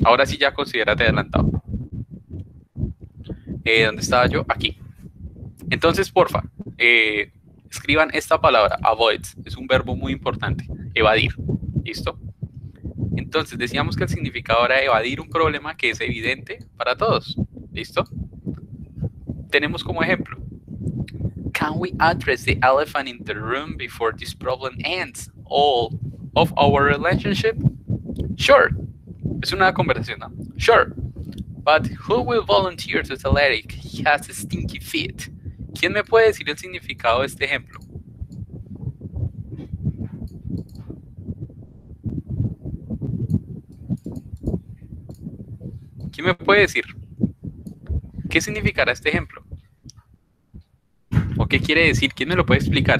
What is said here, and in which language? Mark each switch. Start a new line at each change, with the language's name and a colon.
Spanish: Ahora sí ya considérate adelantado. ¿Dónde estaba yo? Aquí. Entonces, porfa, escriban esta palabra, avoid. Es un verbo muy importante, evadir. ¿Listo? Entonces, decíamos que el significado era evadir un problema que es evidente para todos. ¿Listo? Tenemos como ejemplo.
English: Can we address the elephant in the room before this problem ends all of our relationship? Sure.
Spanish: Es una conversación, ¿no?
English: Sure. But who will volunteer to tell Eric he has a stinky feet?
Spanish: ¿Quién me puede decir el significado de este ejemplo? ¿Quién me puede decir qué significará este ejemplo? ¿O qué quiere decir? ¿Quién me lo puede explicar?